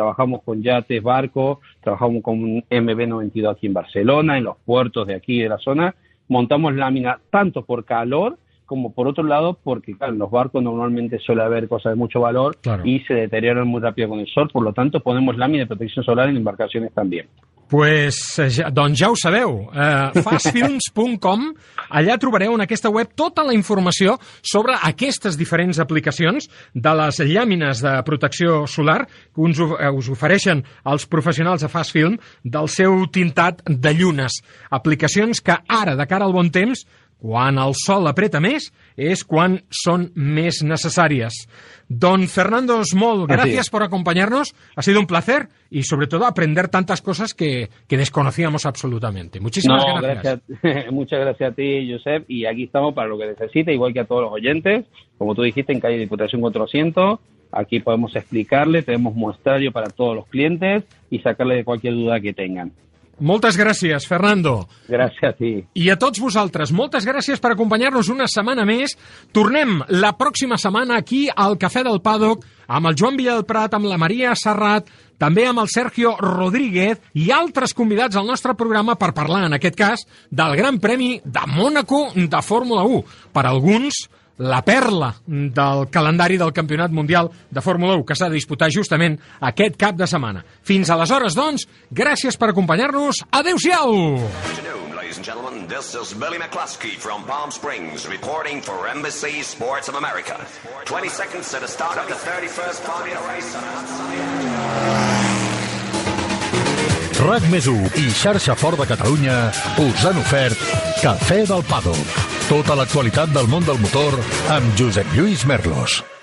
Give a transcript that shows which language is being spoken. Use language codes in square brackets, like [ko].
[es] Trabajamos con yates, barcos, trabajamos con un MV92 aquí en Barcelona, en los puertos de aquí de la zona, montamos láminas tanto por calor como por otro lado, porque claro, en los barcos normalmente suele haber cosas de mucho valor claro. y se deterioran muy rápido con el sol, por lo tanto ponemos lámina de protección solar en embarcaciones también. [ca] Pues doncs ja ho sabeu, fastfilms.com, allà trobareu en aquesta web tota la informació sobre aquestes diferents aplicacions de les llàmines de protecció solar que us ofereixen els professionals de Fastfilm del seu tintat de llunes. Aplicacions que ara, de cara al bon temps, Quan el sol apreta més, és quan són més necessàries. [es] Don Fernando Small, gracias por acompañarnos. Ha sido un placer y sobre todo aprender tantas cosas que desconocíamos absolutamente. Muchísimas gracias. Muchas gracias a ti, Josep. Y aquí estamos para lo que necesite, igual que a todos los oyentes. Como tú dijiste, en calle Diputación 400. Aquí podemos explicarle, tenemos muestrario para todos los clientes y sacarle de cualquier duda que tengan. [ca] Moltes gràcies, Fernando. Gràcies a ti. I a tots vosaltres, moltes gràcies per acompanyar-nos una setmana més. Tornem la pròxima setmana aquí al Cafè del Paddock amb el Joan Villalprat, amb la Maria Serrat, també amb el Sergio Rodríguez i altres convidats al nostre programa per parlar, en aquest cas, del Gran Premi de Mònaco de Fórmula 1. Per alguns, la perla del calendari del Campionat Mundial de Fórmula 1 que s'ha de disputar justament aquest cap de setmana. Fins aleshores, doncs, gràcies per acompanyar-nos. Adéu-siau! [en] Ladies and gentlemen, this is Billy McCluskey from Palm Springs reporting for NBC Sports of America. 20 seconds to the start of the 31st Formula Race. [ca] RAC més 1 i Xarxa Fort de Catalunya us han ofert Cafè del Paddock. Tota l'actualitat del món del motor amb Josep Lluís Merlos.